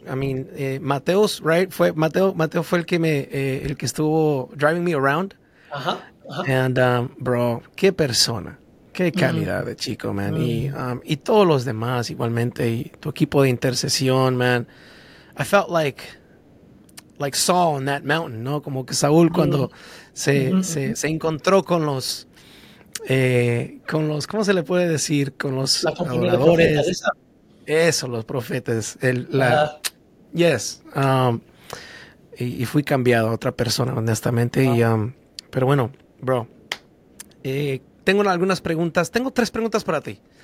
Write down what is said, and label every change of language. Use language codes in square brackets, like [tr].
[en] I mean, Mateos, right? Mateo [es] fue el que estuvo [en] driving me around. And bro, [es] qué persona, qué calidad de chico, man. Y todos los demás igualmente, y tu equipo de intercesión, man. [en] I felt like Saul on that mountain, ¿no? [es] Como que Saúl cuando se encontró con los ¿cómo se le puede decir? Con los La compañía de profetas adoradores, esa. eso, los profetas, yes, y fui cambiado a otra persona, honestamente, pero bueno, bro, tengo algunas preguntas, tengo 3 preguntas para ti,